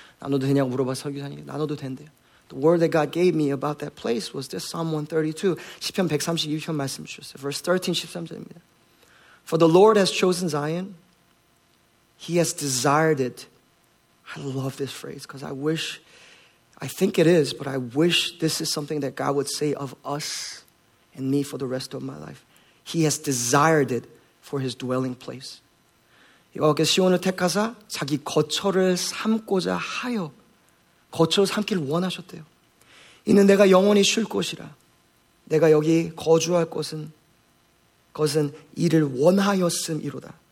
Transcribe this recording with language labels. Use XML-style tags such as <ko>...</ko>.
<ko>나눠도 되냐고 물어봐서 설교사님, 나눠도 된대요.</ko> <en>The word that God gave me about that place was this Psalm 132,</en> <ko>시편 132편 말씀 주셨어요.</ko> <en>Verse 13,</en> <ko>13절입니다.</ko> <en>For the Lord has chosen Zion, He has desired it. I love this phrase because I wish, I think it is, but I wish this is something that God would say of us and me for the rest of my life. He has desired it for his dwelling place.</en> <ko>이렇게 시온을 택하사 자기 거처를 삼고자 하여 거처를 삼길 원하셨대요. 이는 내가 영원히 쉴 곳이라. 내가 여기 거주할 것은 이를 원하였음이로다.</ko>